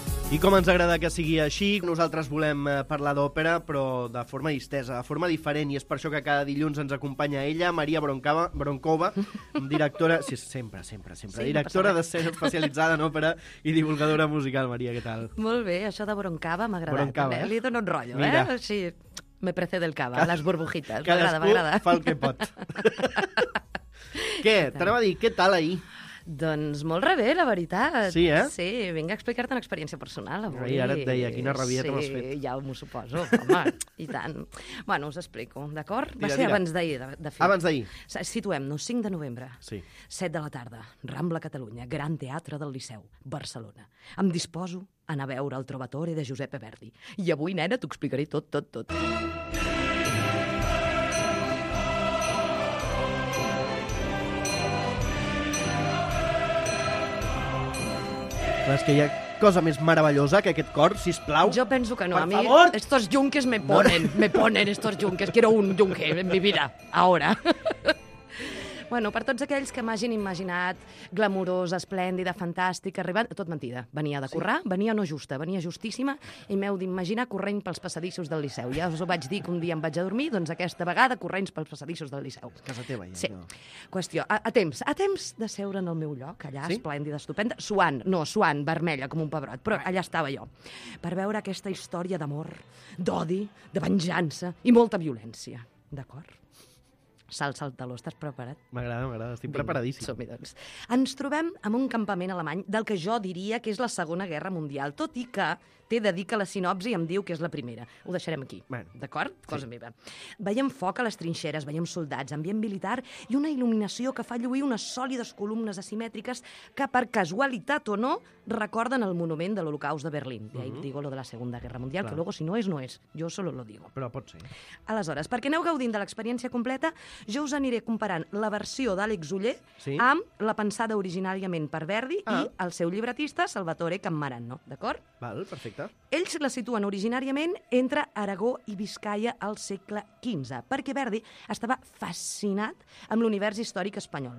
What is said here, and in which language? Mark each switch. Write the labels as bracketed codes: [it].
[ca] I com ens agrada que sigui així, nosaltres volem parlar d'òpera, però de forma distesa, de forma diferent, i és per això que cada dilluns ens acompanya ella, Maria Broncova, directora... Sí, sempre. Sí, directora d'escena especialitzada en òpera i divulgadora musical. Maria, què tal? Molt bé, això de Broncova m'ha agradat. Broncova, eh? Li dono un rotllo, mira. Eh? [es] Sí, me precede el cava, les burbujitas. [ca] Cadascú fa el que pot. Què? T'anava a dir, què tal ahir? Doncs molt rebé, la veritat. Sí, eh? Sí, vinc a explicar-te una experiència personal avui. Ara et deia, quina rabieta sí, m'has fet. Sí, ja m'ho suposo, home, i tant. Bueno, us explico, d'acord? Va ser abans d'ahir, de fet. Abans d'ahir. Situem-nos, 5 de novembre. Sí. 7 de la tarda, Rambla Catalunya, Gran Teatre del Liceu, Barcelona. Em disposo a anar a veure el Trovatore de Giuseppe Verdi. I avui, nena, t'ho explicaré tot, tot, tot. És que hi ha cosa més meravellosa que aquest cor, sisplau. Jo penso que no. Per a mi, favor. [es] Estos yunques me ponen estos yunques. Quiero un yunque en mi vida, ahora. [ca] Bueno, per tots aquells que m'hagin imaginat glamurosa, esplèndida, fantàstica, arribant... Tot mentida. Venia de currar, sí. Venia no justa, venia justíssima, i m'heu d'imaginar corrent pels passadissos del Liceu. Ja us ho vaig dir que un dia em vaig a dormir, doncs aquesta vegada corrents pels passadissos del Liceu. És casa teva, ja. Sí. No. Qüestió. A temps de seure en el meu lloc, allà, sí? Esplèndida, estupenda, suant, vermella, com un pebrot, però allà estava jo, per veure aquesta història d'amor, d'odi, de venjança i molta violència. D'acord? Salsa al taló, estàs preparat? M'agrada, estic preparadíssim. Som-hi, doncs. Ens trobem en un campament alemany del que jo diria que és la Segona Guerra Mundial, tot i que t'he de dir que la sinopsi em diu que és la primera. Ho deixarem aquí, bueno, d'acord? Sí. Cosa meva. Veiem foc a les trinxeres, veiem soldats, ambient militar i una il·luminació que fa lluir unes sòlides columnes asimètriques que, per casualitat o no, recorden el monument de l'Holocaust de Berlín. Uh-huh. [es] I ahí digo lo de la Segunda Guerra Mundial, claro. Que luego si no és, no és. Jo solo lo digo. [ca] Però pot ser. Aleshores, perquè aneu gaudint de l'experiència completa, jo us aniré comparant la versió d'Àlex Uller, sí? Amb la pensada originàriament per Verdi, ah. I el seu llibretista, Salvatore Cammarano, d'acord? Val, perfecte. Ells la situen originàriament entre Aragó i Biscaia al segle XV, perquè Verdi estava fascinat amb l'univers històric espanyol.